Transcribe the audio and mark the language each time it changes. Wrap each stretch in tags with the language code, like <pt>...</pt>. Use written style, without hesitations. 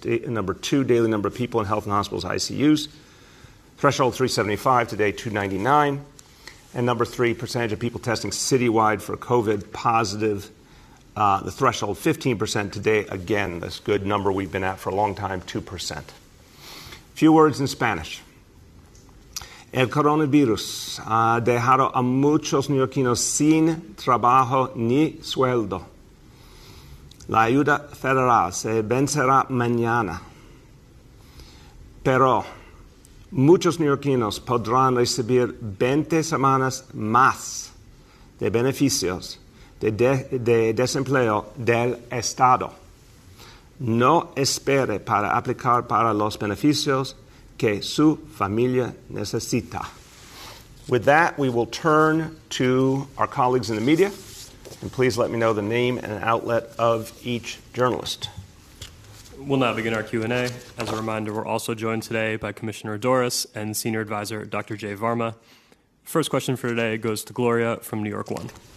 <en>Number two, daily number of people in health and hospitals ICUs, threshold 375, today 299. And number three, percentage of people testing citywide for COVID positive, the threshold 15% today. Again, this good number we've been at for a long time, 2%. A few words in Spanish.</en> <es>El coronavirus ha dejado a muchos neoyorquinos sin trabajo ni sueldo. La ayuda federal se vencerá mañana. Pero muchos neoyorquinos podrán recibir 20 semanas más de beneficios de desempleo del Estado. No espere para aplicar para los beneficios que su familia necesita.</es> <en>With that, we will turn to our colleagues in the media, and please let me know the name and outlet of each journalist. We'll now begin our Q&A. As a reminder, we're also joined today by Commissioner Doris and Senior Advisor Dr. Jay Varma. First question for today goes to Gloria from New York One.</en>